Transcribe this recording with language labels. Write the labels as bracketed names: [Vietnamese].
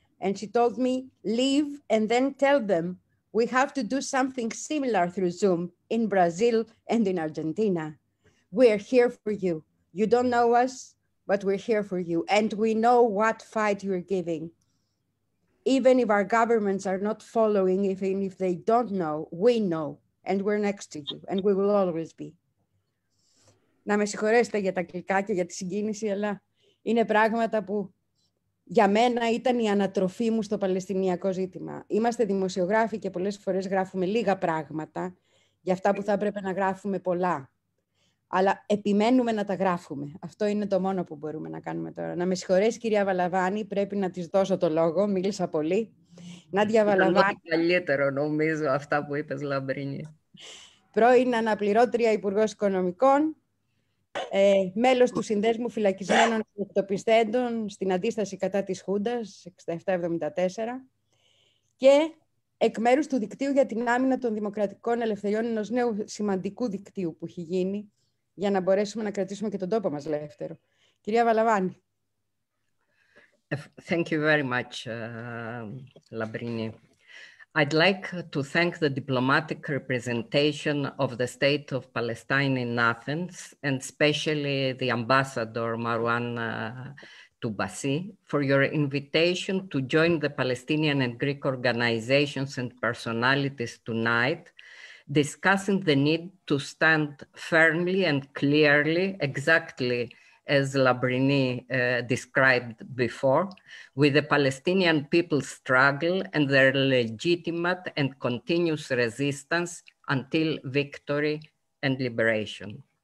[English] And she told me, leave and then tell them we have to do something similar through Zoom in Brazil and in Argentina. We are here for you. You don't know us, but we're here for you. And we know what fight you're giving. Even if our governments are not following, even if they don't know, and we're next to you, and we will always be. [Greek] Να με συγχωρέσετε για τα αγγλικά και για τη συγκίνηση, αλλά είναι πράγματα που για μένα ήταν η ανατροφή μου στο παλαιστινιακό ζήτημα. Είμαστε δημοσιογράφοι και πολλές φορές γράφουμε λίγα πράγματα για αυτά που θα έπρεπε να γράφουμε πολλά. Αλλά επιμένουμε να τα γράφουμε. Αυτό είναι το μόνο που μπορούμε να κάνουμε τώρα. Να με συγχωρέσει, κυρία Βαλαβάνη, πρέπει να της δώσω το λόγο. Μίλησα πολύ. Νάντια Βαλαβάνη. Είναι καλύτερο, νομίζω, αυτά που είπες, Λαμπρίνη. Πρώην αναπληρώτρια Υπουργός Οικονομικών, μέλος του Συνδέσμου Φυλακισμένων και Εκτοπιστέντων στην αντίσταση κατά της Χούντας, 67-74, και εκ μέρους του Δικτύου για την Άμυνα των Δημοκρατικών Ελευθεριών, ενός νέου σημαντικού δικτύου που έχει γίνει, για να μπορέσουμε να κρατήσουμε και τον τόπο μας ελεύθερο. Κυρία Βαλαβάνη. [English] Thank you very much, Λαμπρίνη. I'd like to thank the diplomatic representation of the State of Palestine in Athens, and especially the ambassador Marwan Toubassi, for your invitation to join the Palestinian and Greek organizations and personalities tonight, discussing the need to stand firmly and clearly, exactly as Labrini described before, with the Palestinian people's struggle and their legitimate and continuous resistance until victory and liberation.